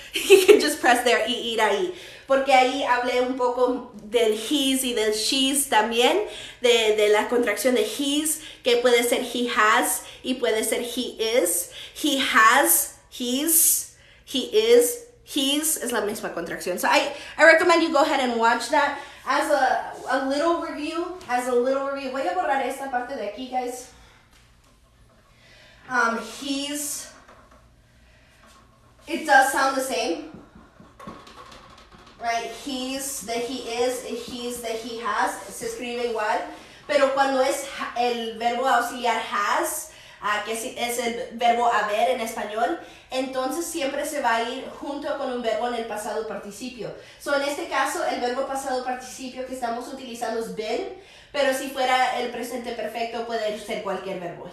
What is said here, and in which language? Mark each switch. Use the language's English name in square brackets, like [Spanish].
[English] You can just press there [Spanish] y ir ahí. Porque ahí hablé un poco del he's y del she's también, de la contracción de he's, que puede ser he has y puede ser he is. [English] He has, he's, he is, he's, [Spanish] es la misma contracción. [English] So I recommend you go ahead and watch that as a little review, as a little review. [Spanish] Voy a borrar esta parte de aquí, guys. [English] He's, it does sound the same. Right, he's, that he is, he's, that he has, [Spanish] se escribe igual. Pero cuando es el verbo auxiliar has, que es el verbo haber en español, entonces siempre se va a ir junto con un verbo en el pasado participio. [English] So, [Spanish] en este caso, el verbo pasado participio que estamos utilizando es been, pero si fuera el presente perfecto, puede ser cualquier verbo.